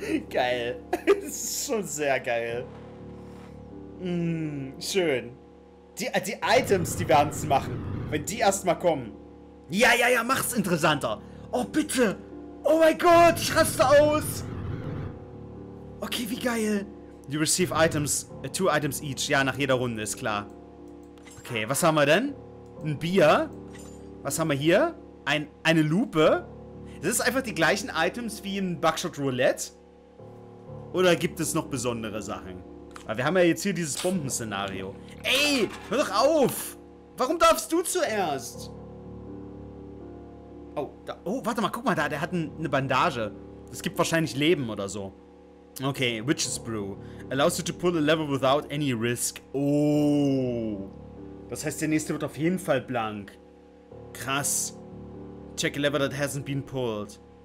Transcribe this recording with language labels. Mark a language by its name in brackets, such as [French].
[German] Geil. Das ist schon sehr geil. Schön. Die Items, die werden es machen. Wenn die erstmal kommen. Ja, mach's interessanter. Oh, bitte. Oh mein Gott, ich raste aus. Okay, wie geil. [English] You receive items, 2 items each. [German] Ja, nach jeder Runde, ist klar. Okay, was haben wir denn? Ein Bier. Was haben wir hier? Eine Lupe. Das ist einfach die gleichen Items wie im Buckshot Roulette. Oder gibt es noch besondere Sachen? Aber wir haben ja jetzt hier dieses Bomben-Szenario. Ey, hör doch auf! Warum darfst du zuerst? Oh, da, oh, warte mal, guck mal da, der hat eine Bandage. Das gibt wahrscheinlich Leben oder so. [English] Okay, Witch's Brew. Allows you to pull a level without any risk. [German] Oh. Das heißt, der nächste wird auf jeden Fall blank. Krass. [English] Check a level that hasn't been pulled.